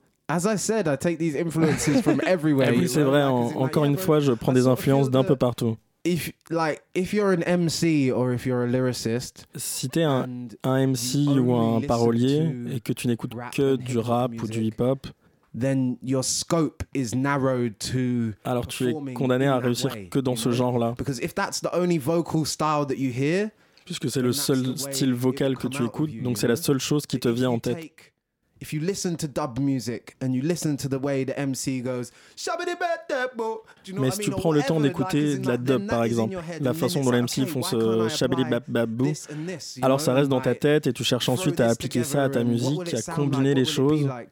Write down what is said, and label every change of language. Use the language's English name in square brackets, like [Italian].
[English] As I said, I take these influences from everywhere. [French] Oui, c'est vrai. Encore une fois, je prends des influences d'un peu partout. [English] If you're an MC or if you're a lyricist, [French] si t'es un MC ou un parolier et que tu n'écoutes que du rap ou du hip-hop, [English] then your scope is narrowed to. [French] Alors tu es condamné à réussir que dans ce genre-là. [English] Because if that's the only vocal style that you hear, [French] puisque c'est le seul style vocal que tu écoutes, donc c'est la seule chose qui te vient en tête. [English] If you listen to dub music and you listen to the way the MC goes, shabbity bad dub, do you know what I mean? [French] Mais si tu prends le temps d'écouter de la dub, par exemple, la façon dont les MC font ce shabbity bad dub, alors ça reste dans ta tête et tu cherches ensuite à appliquer ça à ta musique, à combiner les choses.